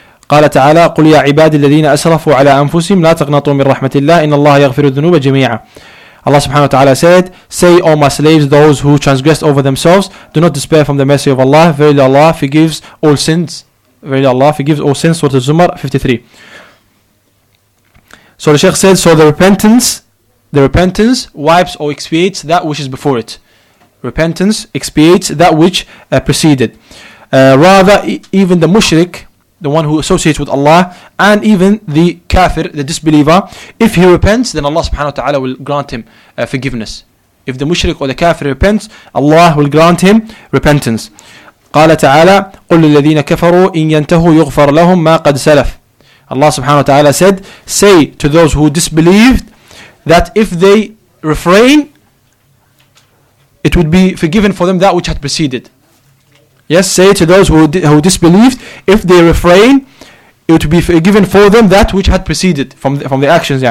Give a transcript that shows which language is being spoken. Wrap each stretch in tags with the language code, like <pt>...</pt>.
<ar>قال تعالى قل يا عبادي الذين أسرفوا على أنفسهم لا تقنطوا من رحمة الله إن الله يغفر الذنوب جميعا.</ar> <en>Allah subhanahu wa ta'ala said, say, O my slaves, those who transgressed over themselves, do not despair from the mercy of Allah. Verily Allah forgives all sins. Verily Allah forgives all sins. Surah Az-Zumar 53. So the Shaykh said, so the repentance wipes or expiates that which is before it. Repentance expiates that which preceded. Rather, even the mushrik, the one who associates with Allah, and even the kafir, the disbeliever, if he repents, then Allah subhanahu wa ta'ala will grant him forgiveness. If the mushrik or the kafir repents, Allah will grant him repentance.</en> <ar>قال تعالى قل للذين كفروا إن ينتهوا يغفر لهم ما قد سلف.</ar> <en>Allah subhanahu wa ta'ala said, say to those who disbelieved that if they refrain, it would be forgiven for them that which had preceded. Yes, say to those who disbelieved, if they refrain, it will be forgiven for them that which had preceded from the actions.</en>